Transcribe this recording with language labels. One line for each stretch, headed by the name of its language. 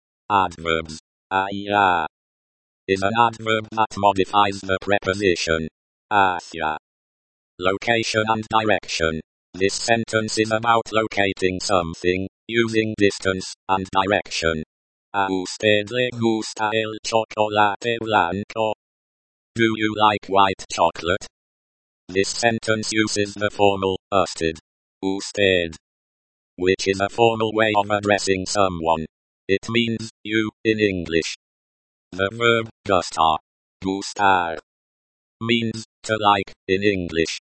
English: Adverbs allá is an adverb that modifies the preposition hacia. Location and direction. This sentence is about locating something, using distance and direction.
Spanish: ¿A usted le gusta el chocolate blanco?
English: Do you like white chocolate? This sentence uses the formal, usted, usted, which is a formal way of addressing someone. It means, you, in English. The verb, gustar, gustar, means, to like, in English.